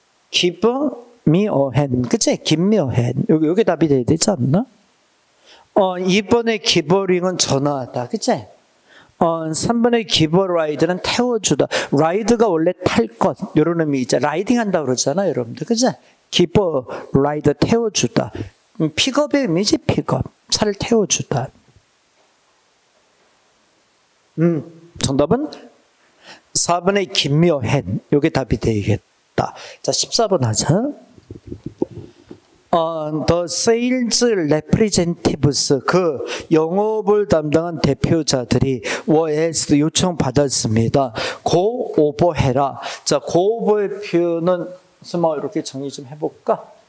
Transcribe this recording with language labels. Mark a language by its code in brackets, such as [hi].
[en] Give me a hand. [ko] 그치? [en] Give me a hand. [ko] 여기 답이 돼야 되지 않나? 2번의 [en] give a ring [ko] 은 전화하다. 그치? 3번의 [en] give a ride [ko] 는 태워주다. ride가 원래 탈 것. 이런 의미 있잖아. riding 한다고 그러잖아. 여러분들. 그치? [en] give a ride [ko] 태워주다. pick up의 의미지, pick up. 차를 태워주다. 정답은 4번의 [en] give me a hand. [ko] 이게 답이 되겠다. 자, 14번 하자. [en] The sales representatives, [ko] 그 영업을 담당한 대표자들이 [en] were asked, [ko] 요청받았습니다. [en] Go over [ko] 해라. 자, go over의 표현은 설마 이렇게 정리 좀 해볼까?